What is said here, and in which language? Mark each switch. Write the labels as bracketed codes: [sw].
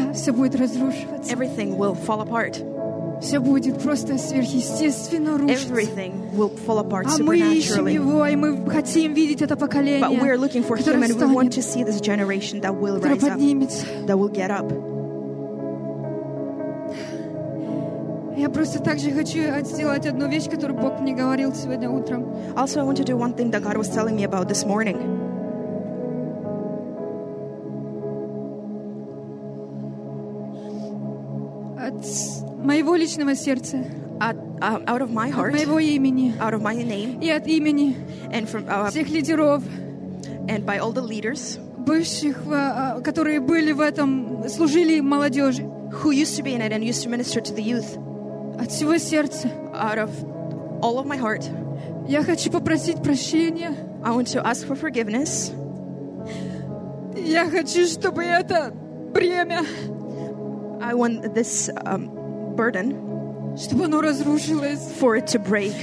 [ru] все будет разрушиваться, [en] everything will fall apart. [ru] Все будет просто сверхъестественно рушиться. [en] Everything will fall apart supernaturally. [ru] А мы ищем Его, и мы хотим видеть это поколение, [en] but we're looking for Him, and we want to see this generation that will rise [ru] поднимется. [en] Up, that will get up. [ru] Я просто также хочу сделать одну вещь, которую Бог мне говорил сегодня утром. [en] Also, I want to do one thing that God was telling me about this morning. [ru] Моего личного сердца, [en] out of my heart, [ru] от моего имени, [en] out of my name, [ru] и от имени [en] and from, [ru] всех лидеров, [en] and by all the leaders, [ru] бывших, которые были в этом, служили молодежи, [en] who used to be in it and used to minister to the youth, [ru] от всего сердца, [en] out of all of my heart, [ru] я хочу попросить прощения, [en] I want to ask for forgiveness, [ru] я хочу, чтобы это бремя, [en] I want this burden, [ru] чтобы оно разрушилось, [en] for it to break,